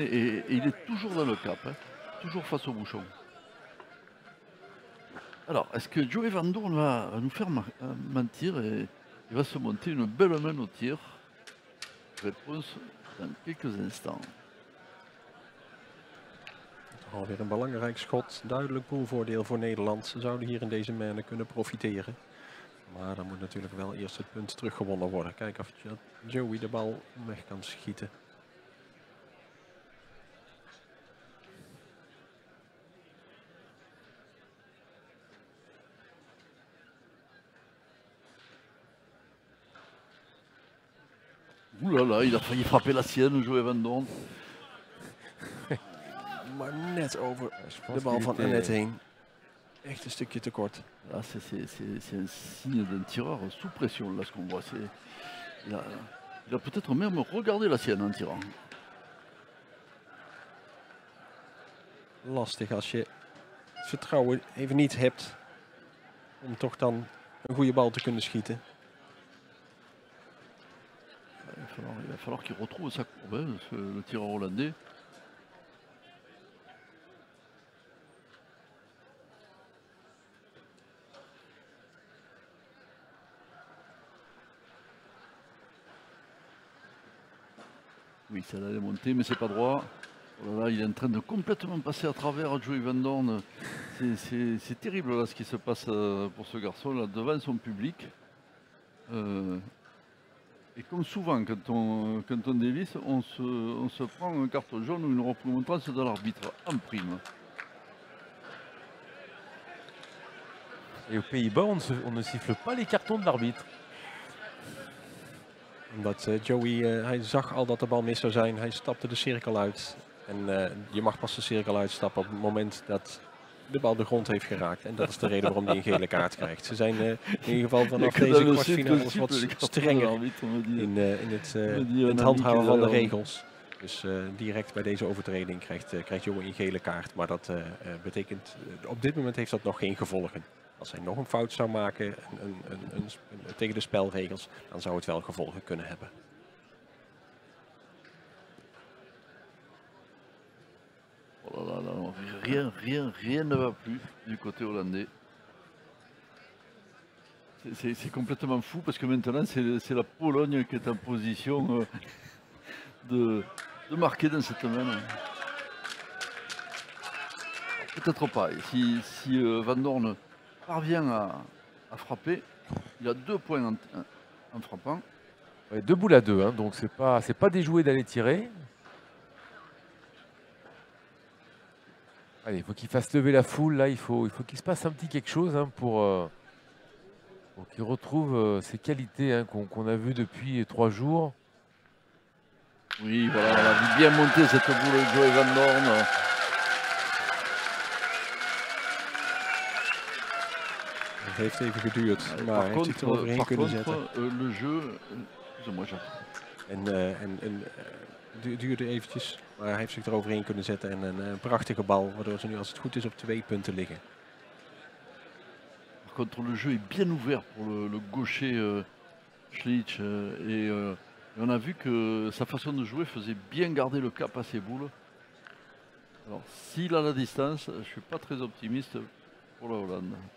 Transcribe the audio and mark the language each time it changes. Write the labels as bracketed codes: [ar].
[fr] Et il est toujours dans le cap, hein, toujours face au bouchon. Alors, est-ce que Joey Van Doorn va nous faire mentir et il va se monter une belle main au tir? Réponse dans quelques instants. [nl] Alweer een belangrijk schot. Duidelijk poolvoordeel voor Nederland. Ze zouden hier in deze mijnen kunnen profiteren. Maar dan moet natuurlijk wel eerst het punt teruggewonnen worden. Kijken of Joey de bal weg kan schieten. [fr] Ouh là là, il a failli frapper la sienne, Joey Van Doorn. [nl] Maar net over de bal van Annette heen. Echt een stukje tekort. [fr] Là, c'est un signe d'un tireur sous pression, là, ce qu'on voit. Il a peut-être même regardé la sienne en tirant. [nl] Lastig als je het vertrouwen even niet hebt om toch dan een goede bal te kunnen schieten. [fr] Il va falloir qu'il retrouve sa courbe, hein, le tireur hollandais. Oui, celle-là est montée, mais c'est pas droit. Oh là là, il est en train de complètement passer à travers Joey Van Doorn. C'est terrible là, ce qui se passe pour ce garçon là, devant son public. Et comme souvent, quand on dévisse, on se prend un carton jaune ou une remontrance de l'arbitre, en prime. Et aux Pays-Bas, on ne siffle pas les cartons de l'arbitre. [nl] Omdat Joey, hij zag al dat de bal mis zou zijn, hij stapte de cirkel uit. En je mag pas de cirkel uitstappen op het moment dat de bal de grond heeft geraakt. En dat is de reden waarom hij een gele kaart krijgt. Ze zijn in ieder geval vanaf deze kwartfinale wat strenger in het handhaven van de regels. Dus direct bij deze overtreding krijgt Jongen een gele kaart. Maar dat betekent, op dit moment heeft dat nog geen gevolgen. Als hij nog een fout zou maken een tegen de spelregels, dan zou het wel gevolgen kunnen hebben. [fr] Oh là là, rien ne va plus du côté hollandais. C'est complètement fou parce que maintenant c'est la Pologne qui est en position de marquer dans cette main. Peut-être pas. Si Van Doorn parvient à frapper, il a deux points en frappant. Ouais, deux boules à deux, hein, donc c'est pas déjoué d'aller tirer. Allez, il faut qu'il fasse lever la foule, là il faut qu'il se passe un petit quelque chose hein, pour qu'il retrouve ses qualités hein, qu'on a vues depuis trois jours. Oui, voilà, on a vu bien monter cette boule de Joey Van Doorn. [nl] Het heeft even geduurd, maar hij heeft het eroverheen kunnen zetten. [fr] Le jeu, c'est moi, Jacques. [nl] En duurde eventjes, maar hij heeft zich eroverheen kunnen zetten en een prachtige bal, waardoor ze nu als het goed is op twee punten liggen. [fr] Par contre, le jeu est bien ouvert pour le gaucher Schlitz. Et on a vu que sa façon de jouer faisait bien garder le cap à ses boules. Alors, s'il a la distance, je ne suis pas très optimiste pour la Hollande.